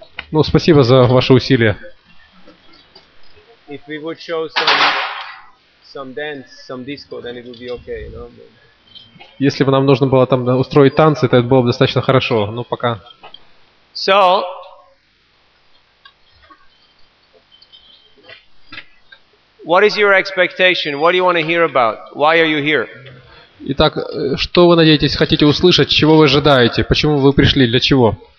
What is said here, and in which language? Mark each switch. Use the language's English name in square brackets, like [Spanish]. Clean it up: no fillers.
[Russian] Ну, спасибо за ваши усилия. [English] If we would show some dance, some disco, then it would be okay, you know? [Russian] Если бы нам нужно было там устроить танцы, то это было бы достаточно хорошо, но пока. [English] So, what is your expectation? What do you want to hear about? Why are you here? [Russian] Итак, что вы надеетесь, хотите услышать, чего вы ожидаете, почему вы пришли, для чего?